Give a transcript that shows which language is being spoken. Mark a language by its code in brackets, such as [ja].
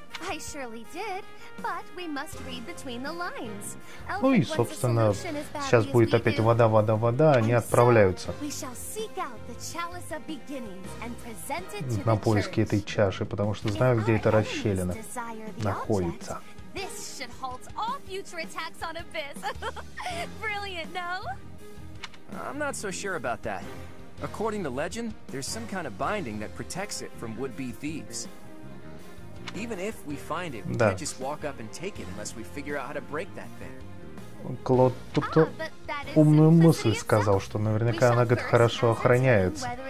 [en] I surely did, but we must read between the lines. [ru] Ну и, собственно, сейчас будет опять вода, вода, вода, они отправляются. [en] We shall seek out the chalice of beginnings and present it to the church. [ru] На поиски этой чаши, потому что знаю, где эта расщелина находится. [en] This should halt all future attacks on Abyss. Brilliant, no? I'm not so sure about that. According to legend, there's some kind of binding that protects it from would-be thieves. Even if we find it, we can't just walk up and take it unless we figure out how to break that thing. [ru] Клод тут умную мысль сказал, что наверняка она, говорит, хорошо охраняется.